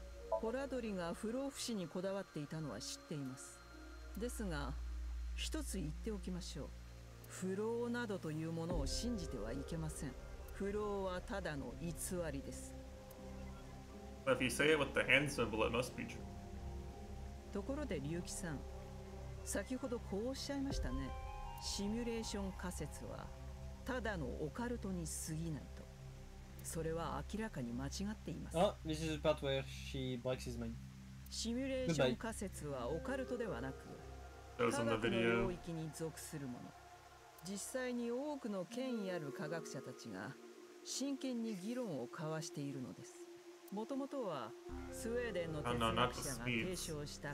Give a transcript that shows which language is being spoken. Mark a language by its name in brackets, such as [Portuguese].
[Japanese] ホラドリが不老不死にこだわっていたのは知っています。ですが一つ言っておきましょう、不老などというものを信じてはいけません。不老はただの偽りです。 [English] If you say it with the hand symbol, it must be true. [Japanese] ところでリュウキさん、先ほどこうおっしゃいましたね。シミュレーション仮説はただのオカルトに過ぎないと。それは明らかに間違っています。 [English] あ、This is the part where she breaks his mind. [Japanese] シミュレーション仮説はオカルトではなく、科学の領域に属するもの。実際に多くの権威ある科学者たちが真剣に議論を交わしているのです。もともとはスウェーデンの哲学者が提唱した